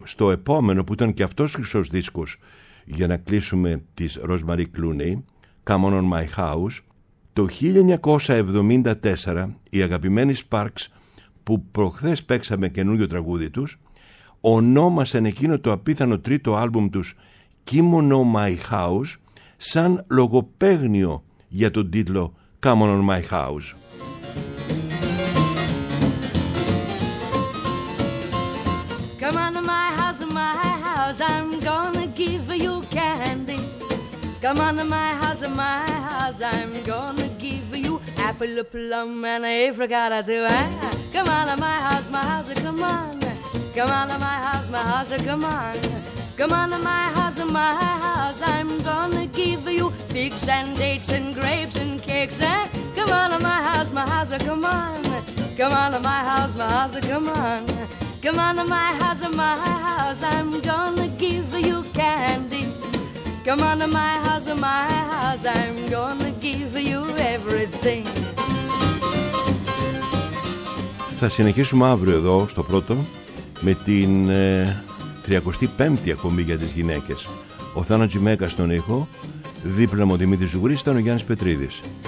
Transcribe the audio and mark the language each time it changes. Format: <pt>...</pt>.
<el>Στο επόμενο, που ήταν και αυτός χρυσός δίσκος για να κλείσουμε, της Rosemary Clooney, Come On My House, το 1974 η αγαπημένη Sparks, που προχθές παίξαμε καινούριο τραγούδι τους, ονόμασαν εκείνο το απίθανο τρίτο άλμπουμ τους Come On My House σαν λογοπαίγνιο για τον τίτλο Come On My House.</el> <en>Come on to my house, I'm gonna give you candy. Come on to my house, I'm gonna give you apple, plum, and every kind of thing. Come on to my house, come on. Come on to my house, come on. Come on to my house, I'm gonna give you figs and dates and grapes and cakes, eh? Come on to my house, come on. Come on to my house, come on. Come on to my house, I'm gonna give you candy. Come on to my house, I'm gonna give you everything.</en> <el>Θα συνεχίσουμε αύριο εδώ στο πρώτο με την 35η ακομή για τις γυναίκες. Ο Θάνος Τζιμέκας στον ήχο, δίπλα μου ο Δημήτρης Ζουγρής, ήταν ο Γιάννης Πετρίδης.</el>